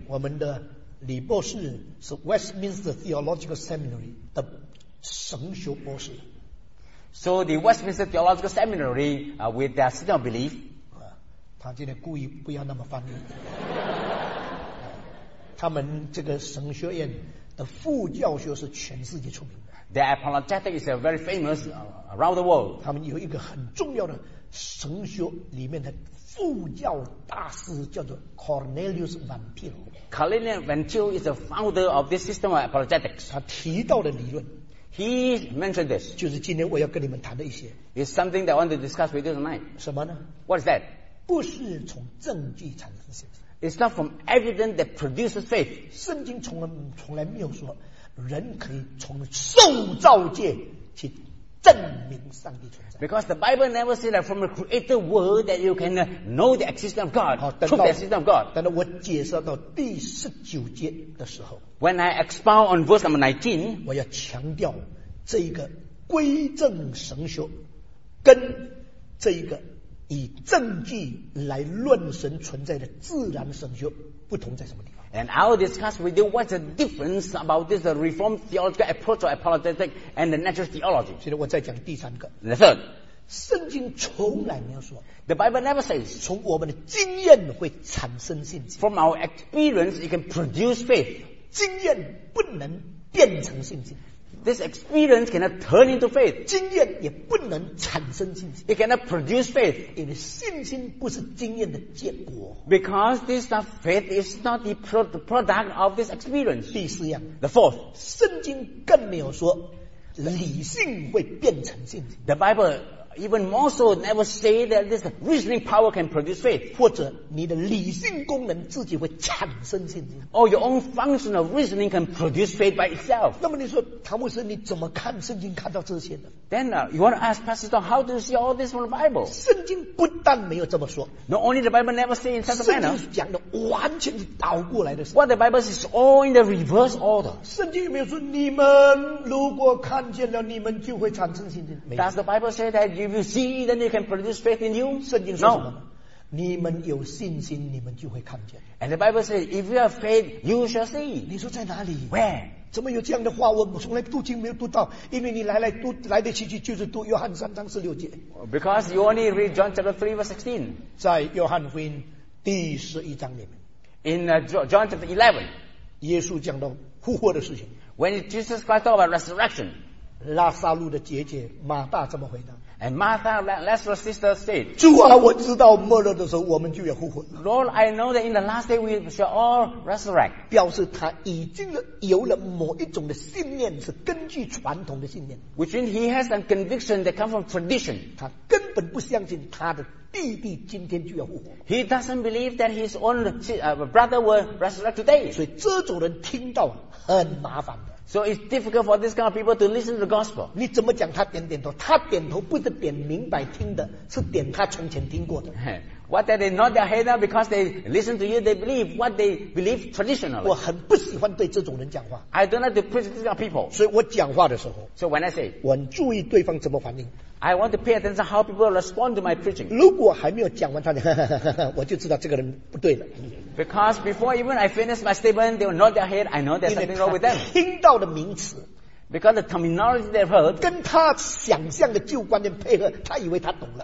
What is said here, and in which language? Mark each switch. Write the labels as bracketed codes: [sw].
[zh] 我们的李博士是 Westminster Theological Seminary 的神学博士。 [en] So the Westminster Theological Seminary, with their system of belief, [zh] 他今天故意不要那么翻译。他们这个神学院。的副教学是全世界出名的。 [en] The apologetic is very famous around the world. [zh] 他们有一个很重要的神学里面的副教大师叫做 Cornelius Van Til. [en] Cornelius Van Til is the founder of this system of apologetics. [zh] 他提到的理论 [en] He mentioned this. [zh] 就是今天我要跟你们谈的一些 [en] It's something that I want to discuss with you tonight. [zh] 什么呢 [en] What is that? [zh] 不是从证据产生信心。 [en] It's not from evidence that produces faith. [zh] 圣经从来没有说人可以从受造界去证明上帝存在。 [en] Because the Bible never said that from a created world that you can know the existence of God, prove the existence of God. [zh] 等到我解释到第十九节的时候 [en] ，When I expound on verse number 19, [zh] 我要强调这一个归正神学跟这一个以证据来论神存在的自然神学不同在什么地方。 [en] And I'll discuss with you what's the difference about this Reformed theological approach or apologetic and the natural theology. [zh] 现在我再讲第三个。 [en] The third. [zh] 圣经从来没有说。 [en] The Bible never says. [zh] 从我们的经验会产生信心。 [en] From our experience, it can produce faith. [zh] 经验不能变成信心。 [en] This experience cannot turn into faith. [zh] 经验也不能产生信心。 [en] It cannot produce faith. [zh] 因为信心不是经验的结果。 [en] Because this faith is not the product of this experience. [zh] 第四样。 [en] The fourth. [zh] 圣经更没有说理性会变成信心。 [en] The Bible even more so never say that this reasoning power can produce faith. [zh] 或者你的理性功能自己会产生信心。 [en] Or your own function of reasoning can produce faith by itself. [zh] 那么你说唐牧师你怎么看圣经看到这些呢？ [en] Then you want to ask Pastor Tom, how do you see all this from the Bible? [zh] 圣经不但没有这么说。 [en] Not only the Bible never say in such a manner. [zh] 圣经讲的完全是倒过来的。 [en] What the Bible says is all in the reverse order. [zh] 圣经有没有说你们如果看见了你们就会产生信心？ [en] Does the Bible say that if you see, then you can produce faith in you? [zh] 圣经说什么？ [en] No. [zh] 你们有信心，你们就会看见。 [en] And the Bible says, if you have faith, you shall see. [zh] 你说在哪里？ [en] Where? [zh] 怎么有这样的话？我从来读经没有读到，因为你来得去就是读约翰三章十六节。 [en] Because you only read John chapter 3 verse 16. [zh] 在约翰福音第十一章里面。 [en] In John chapter 11. [zh] 耶稣讲到复活的事情。 [en] When Jesus Christ talked about resurrection. [zh] 拉撒路的姐姐马大怎么回答？ [en] And Martha, Lazarus' sister, said, [zh] 主啊，我知道末日的时候我们就要复活。 [en] Lord, I know that in the last day we shall all resurrect. [zh] 表示他已经有了某一种的信念，是根据传统的信念。 [en] Which means he has a conviction that comes from tradition. [zh] 他根本不相信他的弟弟今天就要复活。 [en] He doesn't believe that his own brother will resurrect today. [zh] 所以这种人听到很麻烦的。 [en] So it's difficult for this kind of people to listen to the gospel. [zh] 你怎么讲他点点头？他点头不是点明白听的，是点他从前听过的。 [en] What that they nod their head up because they listen to you, they believe what they believe traditionally. [zh] 我很不喜欢对这种人讲话。 [en] I don't like to preach to these kind of people. [zh] 所以我讲话的时候 [en] ，So when I say, [zh] 我很注意对方怎么反应。 [en] I want to pay attention how people respond to my preaching. [zh] 如果还没有讲完，他就我就知道这个人不对了。 [en] Because before even I finish my statement, they will nod their head. I know there's something wrong with them. [zh] 听到的名词 [en] ，because the terminology they've heard, [zh] 跟他想象的旧观念配合，他以为他懂了。